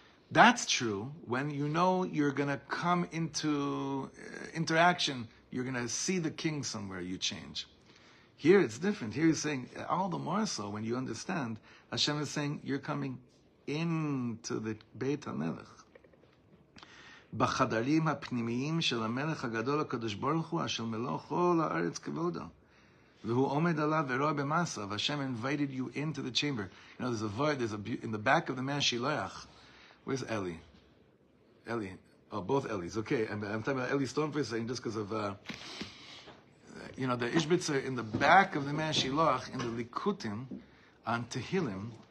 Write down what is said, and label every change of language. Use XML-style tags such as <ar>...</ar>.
<en>That's true when you know you're going to come into interaction, you're going to see the king somewhere, you change. Here it's different. Here he's saying, all the more so when you understand, Hashem is saying, you're coming into the Beit HaMelech.</en> <he>בחדרים הפנימיים של המלך הגדול הקדוש ברוך הוא אשר מלוא כל הארץ כבודו והוא עומד עליו ורואה במעשה והשם</he> <en>invited you into the chamber. You know, there's a in the back of the man Shiloach. Where's Eli? Eli. Oh, both Elis. Okay, I'm talking about Eli Stone for a second, just because of you know, the Ishbitzer in the back of the man Shiloach in the Likutim on Tehillim.</en>